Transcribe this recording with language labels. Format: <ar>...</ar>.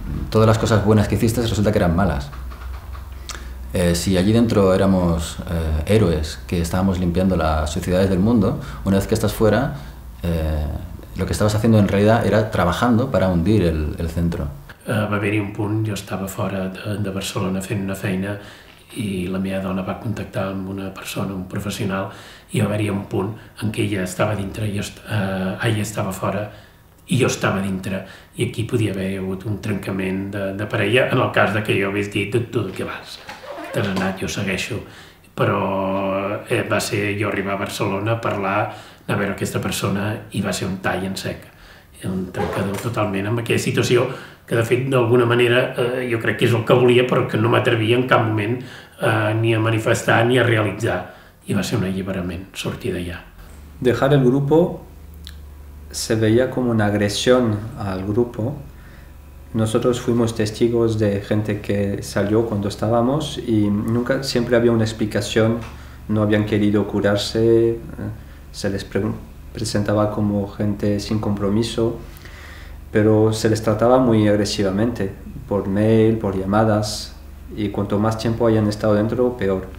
<es>Todas las cosas buenas que hiciste resulta que eran malas. Si allí dentro éramos héroes que estábamos limpiando las suciedades del mundo, una vez que estás fuera, lo que estabas haciendo en realidad era trabajando para hundir el centro.</es> <ca>Va haver-hi un punt, jo estava fora de Barcelona fent una feina i la meva dona va contactar amb una persona, un professional, i va haver-hi un punt en què ella estava dintre i ella estava fora i jo estava dintre, i aquí podia haver hagut un trencament de parella, en el cas de que jo hagués dit, tu de què vas? T'has anat, jo segueixo. Però va ser jo arribar a Barcelona a parlar, anar a veure aquesta persona, i va ser un tall en sec, un trencador totalment amb aquella situació, que de fet d'alguna manera jo crec que és el que volia, però que no m'atrevia en cap moment ni a manifestar ni a realitzar. I va ser un alliberament, sortir d'allà.</ca> <es>Dejar el grupo se veía como una agresión al grupo. Nosotros fuimos testigos de gente que salió cuando estábamos y nunca, siempre había una explicación. No habían querido curarse, se les presentaba como gente sin compromiso, pero se les trataba muy agresivamente, por mail, por llamadas, y cuanto más tiempo hayan estado dentro, peor.</es>